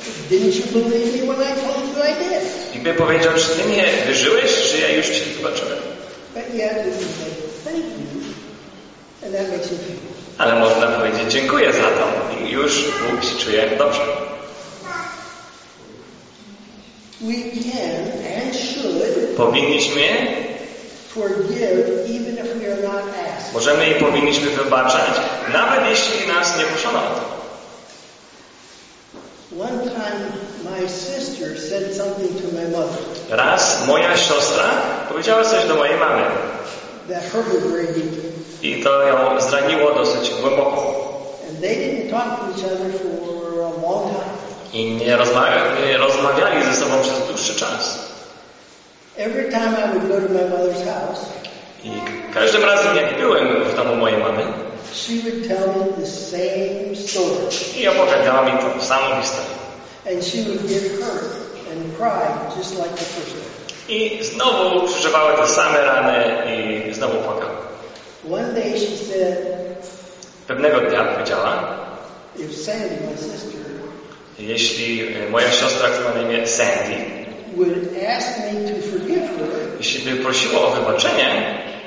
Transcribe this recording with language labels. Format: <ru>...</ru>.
<en>Didn't you believe me when I told you I did?</en> <pl>I by powiedział, czy ty mnie wyżyłeś, czy ja już cię zobaczyłem.</pl> <en>But yet you can say thank you. And that makes you feel good.</en> <pl>Ale można powiedzieć dziękuję za to i już Bóg się czuje dobrze.</pl> <en>We can and should</en> <pl>powinniśmy</pl> <en>forgive even if we are not asked.</en> <pl>Możemy i powinniśmy wybaczać, nawet jeśli nas nie proszono o to.</pl> <en>One time my sister said something to my mother.</en> <pl>Raz moja siostra powiedziała coś do mojej mamy.</pl> <en>That hurt her very deeply.</en> <pl>I to ją zraniło dosyć głęboko.</pl> <en>And they didn't talk to each other for a long time.</en> <pl>I nie rozmawiali ze sobą przez dłuższy czas.</pl> <en>Every time I would go to my mother's house.</en> <pl>I każdym razem jak byłem w domu mojej mamy.</pl> <en>She would tell me the same story.</en> <pl>I opowiadała mi tą samą historię.</pl> <en>And she would get hurt and cry just like the first one.</en> <pl>I znowu przeżywała te same rany i znowu płakała.</pl> <en>One day she said,</en> <pl>pewnego dnia powiedziała,</pl> <en>if Sandy, my sister,</en> <pl>jeśli moja siostra, która na imię Sandy,</pl> <en>would ask me to forgive her,</en> <pl>jeśli by prosiła o wybaczenie,</pl>